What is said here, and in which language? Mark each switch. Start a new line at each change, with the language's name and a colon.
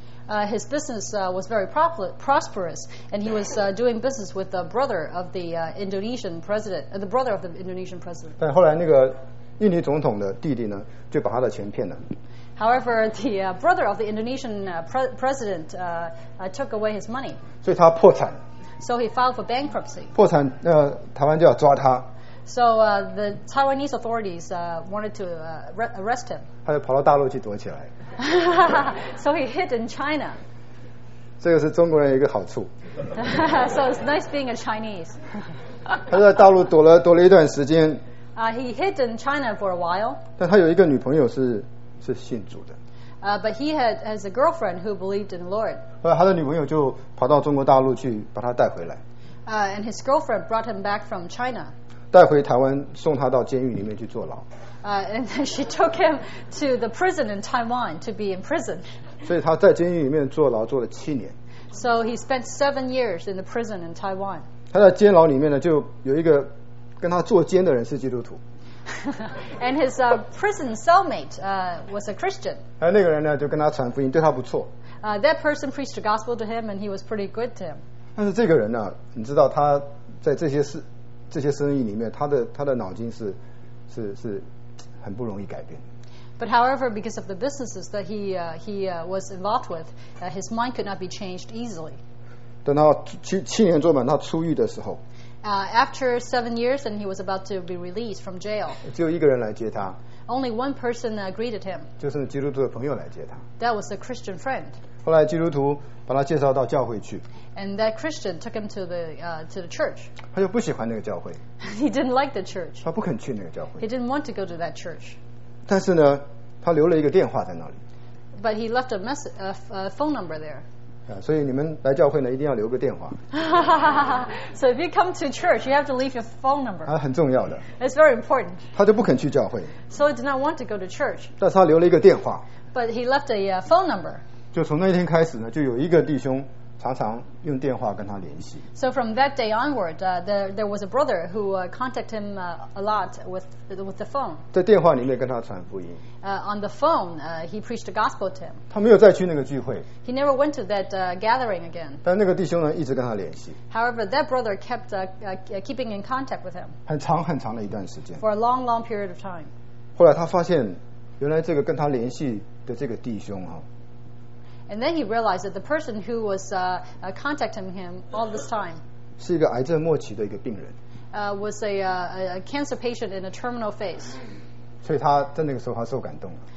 English: His business was very prosperous, and he was doing business with the brother of the Indonesian president, the brother of the Indonesian president.
Chinese: 但后来那个印尼总统的弟弟呢，就把他的钱骗了。
English: However, the brother of the Indonesian president took away his money.
Chinese: 所以他破产。
English: So he filed for bankruptcy.
Chinese: 破产，台湾就要抓他。
English: So the Taiwanese authorities wanted to arrest him.
Chinese: 他就跑到大陆去躲起来。
English: So he hid in China.
Chinese: 这个是中国人一个好处。
English: So it's nice being a Chinese.
Chinese: 他在大陆躲了一段时间。
English: He hid in China for a while.
Chinese: 但他有一个女朋友是信主的。
English: But he had as a girlfriend who believed in the Lord.
Chinese: 后来他的女朋友就跑到中国大陆去把他带回来。
English: And his girlfriend brought him back from China.
Chinese: 带回台湾送他到监狱里面去坐牢。
English: And then she took him to the prison in Taiwan to be in prison.
Chinese: 所以他在监狱里面坐牢坐了七年。
English: So he spent 7 years in the prison in Taiwan.
Chinese: 他在监牢里面呢就有一个跟他坐监的人是基督徒。
English: And his prison cellmate was a Christian.
Chinese: 那个人呢就跟他传福音，对他不错。
English: That person preached the gospel to him, and he was pretty good to him.
Chinese: 但是这个人呢，你知道他在这些生意里面，他的脑筋是很不容易改变。
English: But however, because of the businesses that he was involved with, his mind could not be changed easily.
Chinese: 等到七年坐满他出狱的时候。
English: After 7 years, and he was about to be released from jail.
Chinese: 只有一个人来接他。
English: Only one person greeted him.
Chinese: 就是基督徒的朋友来接他。
English: That was a Christian friend.
Chinese: 后来基督徒把他介绍到教会去。
English: And that Christian took him to the church.
Chinese: 他就不喜欢那个教会。
English: He didn't like the church.
Chinese: 他不肯去那个教会。
English: He didn't want to go to that church.
Chinese: 但是呢，他留了一个电话在那里。
English: But he left a phone number there.
Chinese: 所以你们来教会呢，一定要留个电话。
English: So if you come to church, you have to leave your phone number.
Chinese: 很重要的。
English: It's very important.
Chinese: 他就不肯去教会。
English: So he did not want to go to church.
Chinese: 但是他留了一个电话。
English: But he left a phone number.
Chinese: 就从那天开始呢，就有一个弟兄常常用电话跟他联系。
English: So from that day onward, there was a brother who contacted him a lot with the phone.
Chinese: 在电话里面跟他传福音。
English: On the phone, he preached the gospel to him.
Chinese: 他没有再去那个聚会。
English: He never went to that gathering again.
Chinese: 但那个弟兄呢，一直跟他联系。
English: However, that brother kept keeping in contact with him.
Chinese: 很长很长的一段时间。
English: For a long, long period of time.
Chinese: 后来他发现，原来这个跟他联系的这个弟兄啊。
English: And then he realized that the person who was contacting him all this time
Chinese: 是一个癌症末期的一个病人
English: was a cancer patient in a terminal phase.
Chinese: 所以他在那个时候他受感动了。